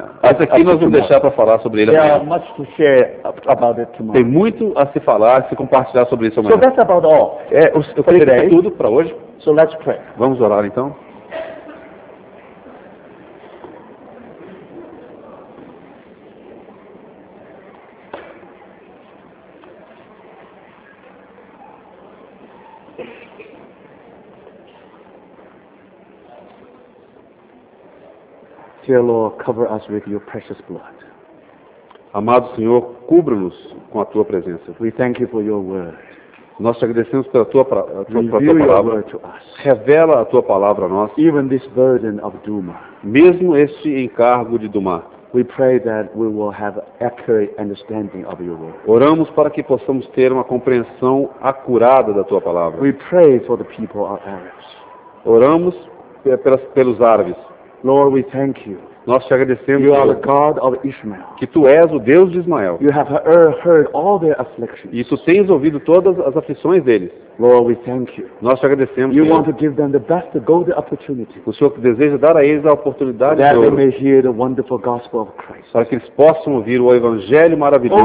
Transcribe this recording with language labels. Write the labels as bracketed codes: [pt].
[pt] Esse aqui nós vamos deixar para falar sobre ele amanhã. [en] There are much to share about it tomorrow. [pt] Tem muito a se falar, a se compartilhar sobre isso amanhã. [en] So that's about all. [pt] É, eu falei é tudo para hoje. [en] So let's pray. [pt] Vamos orar então. [en] Dear Lord, cover us with your precious blood. [pt] Amado Senhor, cubra-nos com a tua presença. [en] We thank you for your word. [pt] Nós te agradecemos pela tua palavra. [en] Reveal your word to us. [pt] Revela a tua palavra a nós. [en] Even this burden of Duma. [pt] Mesmo este encargo de Duma. [en] We pray that we will have accurate understanding of your word. [pt] Oramos para que possamos ter uma compreensão acurada da tua palavra. [en] We pray for the people of Arabs. [pt] Oramos pelos árabes. [en] Lord, we thank you. [pt] Nós te agradecemos. [en] You are the God of Ishmael. [pt] Que tu és o Deus de Ismael. [en] You have heard all their afflictions. [pt] E tu tens ouvido todas as aflições deles. [en] Lord, we thank you. [pt] Nós te agradecemos. [en] You want to give them the best golden opportunity. [pt] O Senhor deseja dar a eles a oportunidade [en] that they may hear the wonderful gospel of Christ. [pt] Para que eles possam ouvir o evangelho maravilhoso